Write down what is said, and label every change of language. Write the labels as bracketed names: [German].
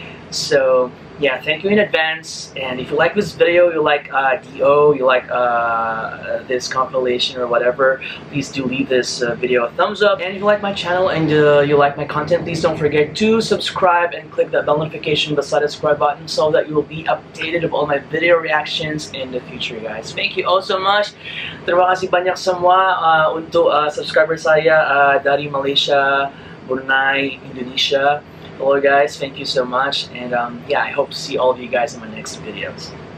[English] So yeah, thank you in advance. And if you like this video, you like D.O., you like this compilation or whatever, please do leave this video a thumbs up. And if you like my channel and you like my content, please don't forget to subscribe and click that bell notification beside the subscribe button so that you will be updated of all my video reactions in the future, guys. Thank you all so much. [Indonesian] Terima kasih banyak semua untuk subscriber saya dari Malaysia, Brunei, Indonesia. [English] Hello guys, thank you so much, and yeah, I hope to see all of you guys in my next videos.